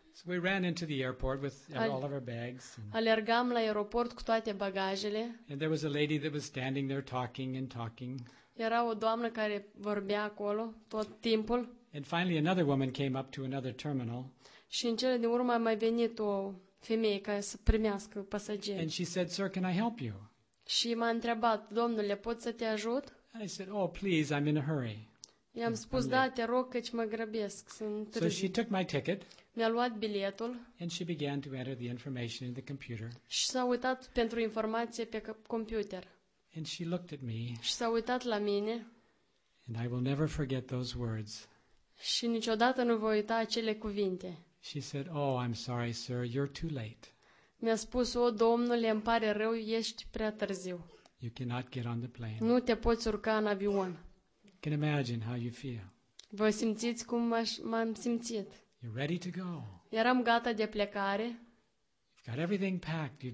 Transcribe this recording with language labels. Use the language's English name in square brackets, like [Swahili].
[English] So we ran into the airport with all of our bags. [Romanian] Alergam la aeroport cu toate bagajele. [English] And there was a lady that was standing there talking and talking. [Romanian] Era o doamnă care vorbea acolo tot timpul. [English] And finally another woman came up to another terminal. [Romanian] Și în cele din urmă a mai venit o femeie care să primească pasageri. [English] And she said, "Sir, can I help you?" [Romanian] Și m-a întrebat, domnule, pot să te ajut? [English] And I said, "Oh, please, I'm in a hurry." [Romanian] I-am spus, da, te rog, căci mă grăbesc, sunt târziu. [English] So she took my ticket. [Romanian] Mi-a luat biletul. [English] And she began to enter the information in the computer. [Romanian] Și s-a uitat pentru informație pe computer. [English] And she looked at me. [Romanian] Și s-a uitat la mine. [English] And I will never forget those words. [Romanian] Și niciodată nu voi uita acele cuvinte. [English] She said, "Oh, I'm sorry, sir, you're too late." [Romanian] Mi-a spus, o, domnule, îmi pare rău, ești prea târziu. [English] You cannot get on the plane. [Romanian] Nu te poți urca în avion. [English] Can imagine how you feel. [Romanian] Vă simțiți cum m-am simțit? [English] You're ready to go. [Romanian] Eram gata de plecare. [English] You've got everything packed. You've